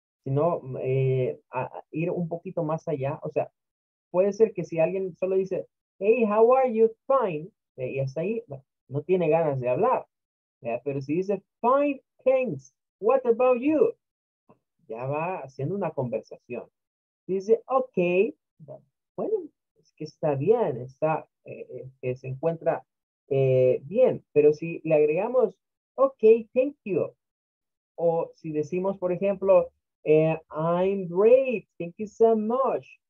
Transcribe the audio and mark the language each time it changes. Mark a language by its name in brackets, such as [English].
[Spanish] Sino a ir un poquito más allá. O sea, puede ser que si alguien solo dice, [English] hey, how are you? Fine. [Spanish] Y hasta ahí, bueno, no tiene ganas de hablar. Pero si dice, [English] fine, thanks, what about you? [Spanish] Ya va haciendo una conversación. Dice, ok, bueno, es que está bien, está, se encuentra bien. Pero si le agregamos, ok, [English] thank you. [Spanish] O si decimos, por ejemplo, [English] I'm great, thank you so much.